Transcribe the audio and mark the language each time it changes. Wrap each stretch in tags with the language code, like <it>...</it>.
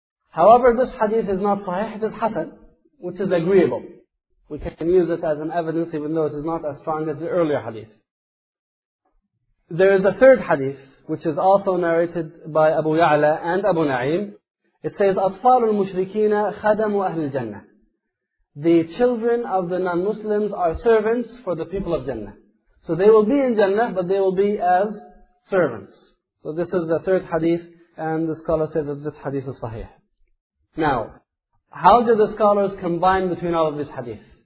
<en>However, this hadith is not sahih, it is hasan, which is agreeable. We can use it as an evidence even though it is not as strong as the earlier hadith. There is a third hadith, which is also narrated by Abu Ya'la and Abu Na'im, It says,</en> <ar>أطفال المشركين خدموا أهل الجنة.</ar> <en>The children of the non-Muslims are servants for the people of Jannah. So they will be in Jannah, but they will be as servants. So this is the third hadith, and the scholars say that this hadith is sahih. Now, how do the scholars combine between all of these hadith?</en>